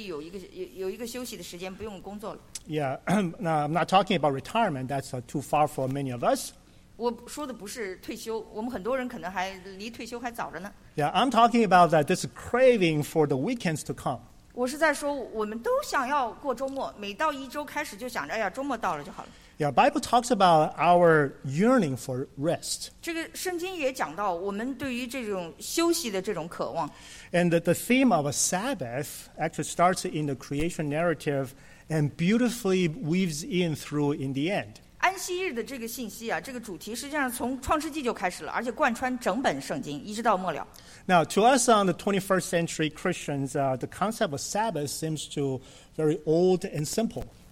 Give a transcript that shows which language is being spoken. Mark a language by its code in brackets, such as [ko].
[zh] 我们不管你每周可以休息一天还是两天，我们都希望到周末我们可以有一个休息的时间，不用工作了。 [en] Yeah, no, I'm not talking about retirement. That's too far for many of us. [zh] 我说的不是退休，我们很多人可能还离退休还早着呢。Yeah, [en] I'm talking about that this craving for the weekends to come. [zh] 我是在说，我们都想要过周末，每到一周开始就想着，哎呀，周末到了就好了。Yeah, [en] Bible talks about our yearning for rest. [zh] 这个圣经也讲到我们对于这种休息的这种渴望。And [en] the theme of a Sabbath actually starts in the creation narrative. And beautifully weaves in through in the end. [zh] 安息日的这个信息啊，这个主题实际上从创世纪就开始了，而且贯穿整本圣经，一直到末了。Now, [en] to us on the 21st century Christians, the concept of Sabbath seems to very old and simple.